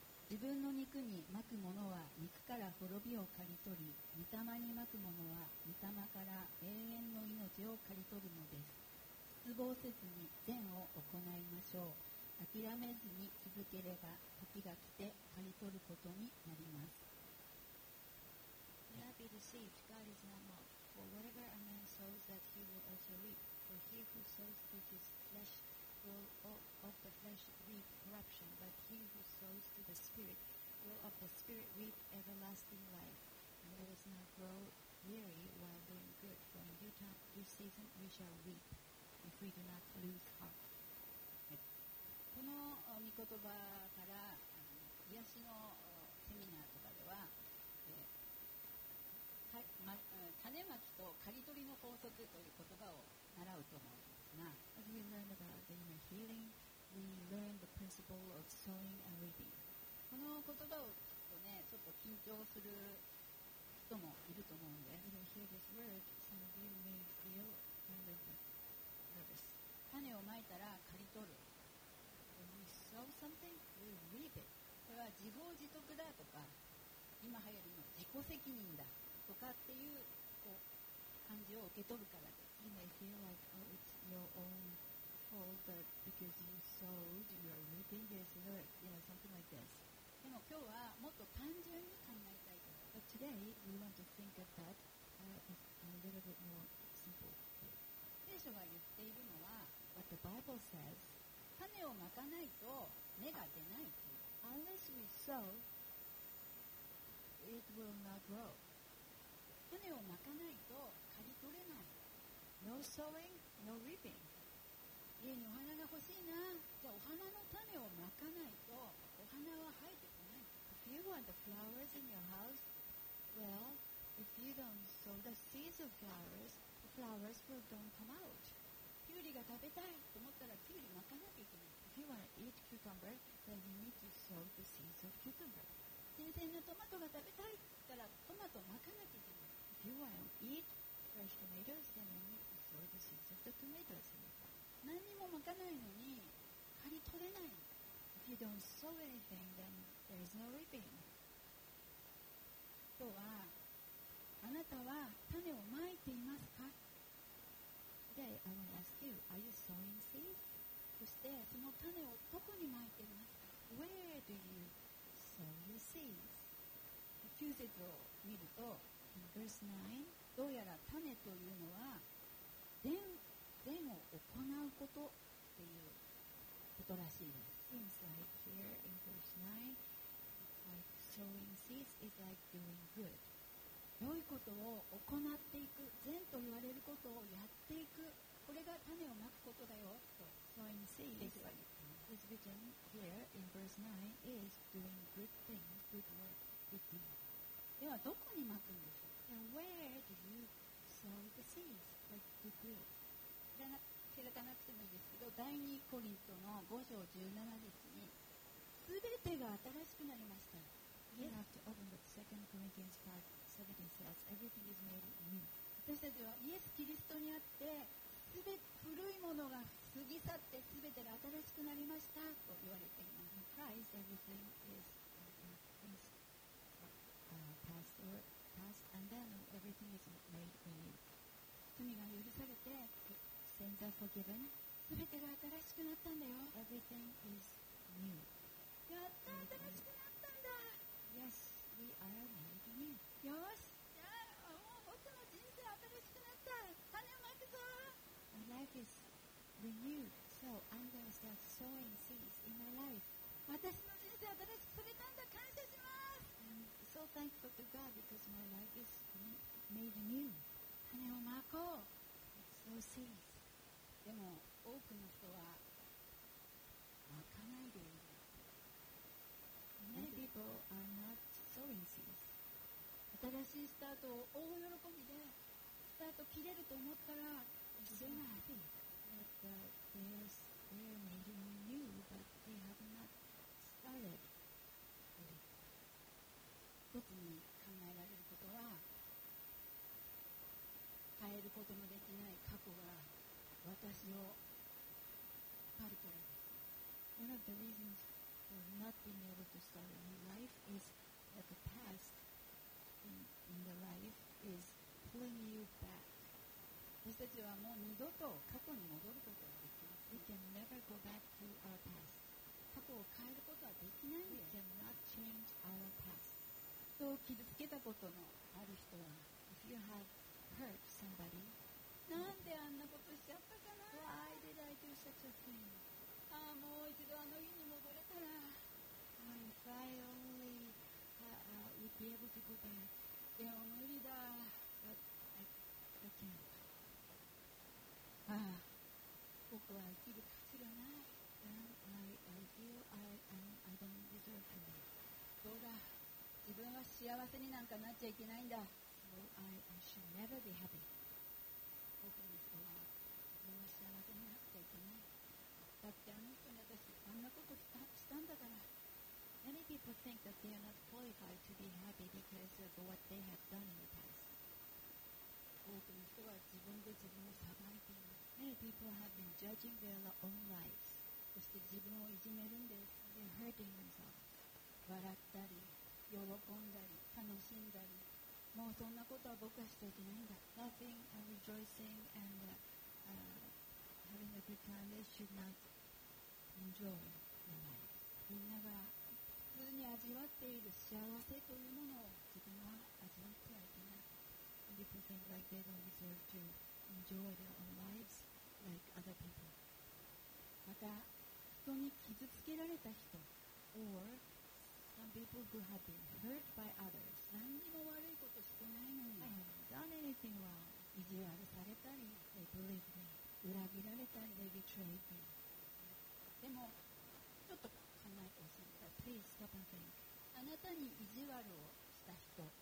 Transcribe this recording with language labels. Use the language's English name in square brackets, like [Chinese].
[Japanese] 自分の肉にまくものは肉から滅びを刈り取り、御霊にまくものは御霊から永遠の命を刈り取るのです。失望せずに善を行いましょう。諦めずに続ければ時が来て刈り取ることになります。 [English] Do not be deceived. God is not mocked. For whatever a man sows, that he will also reap. For he who sows to his flesh will of the flesh reap corruption, but he who sows to the Spirit will of the Spirit reap everlasting life, and he does not grow weary while doing good, for in due time, due season we shall reap, if we do not lose heart. [Japanese] この御言葉から癒しのセミナーとかでは、種まきと刈り取りの法則という言葉を習うと思う。 [English] As we learn about inner healing, we learn the principle of sowing and reaping. [Japanese] この言葉を聞くとね、ちょっと緊張する人もいると思うんで。 [English] When you hear this word, some of you may feel kind of nervous. [Japanese] 種をまいたら刈り取る。 [English] When we sow something, we reap it. [Japanese] これは自業自得だとか、今流行りの自己責任だとかっていう、こう感じを受け取るからです。 [English] You may feel like, oh, it's your own fault that because you sowed, you are reaping this, you know, something like this. [Japanese] でも今日はもっと単純に考えたいと思 [English] But today, we want to think of that a little bit more simple. [Japanese] 聖書が言っているのは、 [English] What the Bible says, [Japanese] 種をまかないと根が出ないという。 [English] Unless we sow, it will not grow. [Japanese] 種をまかないと刈り取れない。 [English] No sowing, no reaping. [Japanese] 家にお花が欲しいな。じゃあお花の種をまかないとお花は生えてこない。 [English] If you want the flowers in your house, well, if you don't sow the seeds of flowers, the flowers will don't come out. [Japanese] キュウリが食べたいと思ったらキュウリまかなきゃいけない。 [English] If you want to eat cucumber, then you need to sow the seeds of cucumber. [Japanese] 新鮮なトマトが食べたいって言ったらトマトまかなきゃいけない。 [English] If you want to eat fresh tomatoes, then you need to sow the seeds of the tomatoes. [Japanese] 何にもまかないのに刈り取れない。 [English] If you don't sow anything, then there is no reaping. [Japanese] 今日はあなたは種をまいていますか。 [English] Today, I want to ask you, are you sowing seeds? [Japanese] そしてその種をどこにまいていますか。 [English] Where do you sow your seeds? [Japanese] 9節を見ると、 [English] In verse 9, [Japanese] どうやら種というのは善を行うことっていうことらしいです。 [English] Seems like here in verse 9, it's like sowing seeds is like doing good. [Japanese] 良いことを行っていく、善と言われることをやっていく、これが種をまくことだよと。 [English] Sowing seeds is written here in verse 9 is doing good things, good work, good deeds. [Japanese] ではどこにまくんでしょう。 [English] And where do you sow the seeds? Like, do good. [Japanese] 知らなくてもいいですけど、第2コリントの5章17節に、すべてが新しくなりました。 [English] Yes. You have to open the second Corinthians 5:17 says, everything is made new. [Japanese] 私たちはイエス・キリストにあって、すべ古いものが過ぎ去って、すべてが新しくなりましたと言われています。 [English] In Christ, everything is past and then everything is made new. [Japanese] 罪が許されて、 [English] sins are forgiven. [Japanese] すべてが新しくなったんだよ。 [English] Everything is new. [Japanese] やった、新しくなった。 [English] Yes, we are making it. [Japanese] よし、じゃあもう僕の人生新しくなった。種をまくぞ。 [English] My life is renewed, so I'm going to start sowing seeds in my life. [Japanese] 私の人生新しくされたんだ。感謝します。 [English] I'm so thankful to God because my life is made new. [Japanese] 種をまこう。 [English] Sow seeds. [Japanese] でも多くの人はまかないでいる。 [English] Many people are not sowing seeds. [Japanese] 新しいスタートを大喜びでスタート切れると思ったら切れない。 But they are made new, but they have not started. 一つに考えられることは、変えることのできない過去が私をパルからです。 [English] One of the reasonsfor not being able to start a new life is that the past in the life is pulling you back. [Japanese] 私たちはもう二度と過去に戻ることはできない。 [English] We can never go back to our past. [Japanese] 過去を変えることはできないんです。 [English] We cannot change our past. [Japanese] 人を傷つけたことのある人は、 [English] If you have hurt somebody, [Japanese] なんであんなことしちゃったかな? [English] Why did I do such a thing? [Japanese] ああもう一度あの日に戻れたら、 [English] oh, If I only would be able to go back. [Japanese] いや無理だ。 [English] But I can't. [Japanese] ああ僕は生きる価値がない。 [English] And I feel I don't deserve to live. [Japanese] どうだ、自分は幸せになんかなっちゃいけないんだ。 [English] So I should never be happy. [Japanese] 僕の人は自分は幸せになっちゃいけない。だってあの人に私あんなことしたんだから。 [English] Many people think that they are not qualified to be happy because of what they have done in the past. [Japanese] 多くの人は自分で自分を裁いている。 [English] Many people have been judging their own lives. [Japanese] そして自分をいじめるんです。 [English] They're hurting themselves. [Japanese] 笑ったり喜んだり楽しんだり、もうそんなことは僕はしていけないんだ。 [English] Laughing and rejoicing andHaving a good time, they should not enjoy their life. [Japanese] みんなが普通に味わっている幸せというものを自分は味わってはいけない。 [English] People think like they don't deserve to enjoy their own lives like other people. [Japanese] また人に傷つけられた人、 [English] or some people who have been hurt by others. [Japanese] 何にも悪いことしてないのに、 [English] I haven't done anything wrong. [Japanese] 意地悪されたり、 [English] they believe me. 裏切られたり、 they betrayed me. [Japanese] でもちょっと考えてほしいんだ。 [English] Please stop and think. [Japanese] あなたに意地悪をした人、